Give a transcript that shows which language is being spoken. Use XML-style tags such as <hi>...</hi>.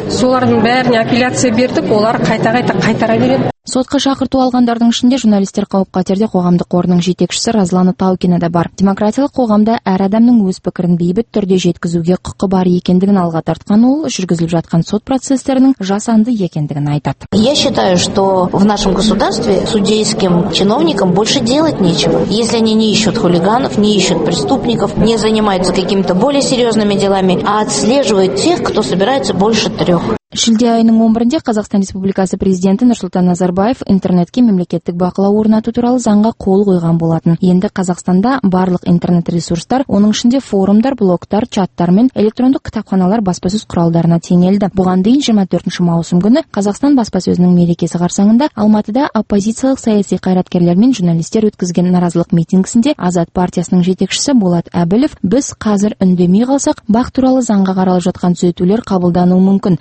<kk>Солардың бәріне апелляция бердік, олар қайта-қайта қайтара береді. Сотқа шақырту алғандардың ішінде журналистер қауіп-қатерде қоғамдық қорының жетекшісі Разлана Таукина да бар. Демократиялық қоғамда әр адамның өз пікірін бейбіт түрде жеткізуге құқы бар екендігін алға тартқан ол, жүргізіліп жатқан сот процестерінің жасанды екендігін айтады.</kk> <ru>Я считаю, что в нашем государстве судейским чиновникам больше делать нечего. Если они не ищут хулиганов, не ищут преступников, не занимаются какими-то более серьезными делами, а отслеживают тех, кто собирается больше трех.</ru> <kk>Шілде айының 11-де Қазақстан Республикасы президенті Нұрсұлтан Назарбаев интернетке мемлекеттік бақылау орнату туралы заңға қол қойған болатын. Енді Қазақстанда барлық интернет ресурстар, оның ішінде форумдар, блогтар, чаттар мен электрондық кітапханалар баспасөз құралдарына теңелді. Бұған дейін 24 маусым күні Қазақстан баспасөзінің мерекесі қарсаңында Алматыда оппозициялық саяси қайраткерлер мен журналистер өткізген наразылық митингісінде Азат партиясының жетекшісі Болат Әбілев: "Біз қазір үндемей қалсақ, бақ туралы заңға қаралып жатқан түзетулер қабылдануы мүмкін.</kk>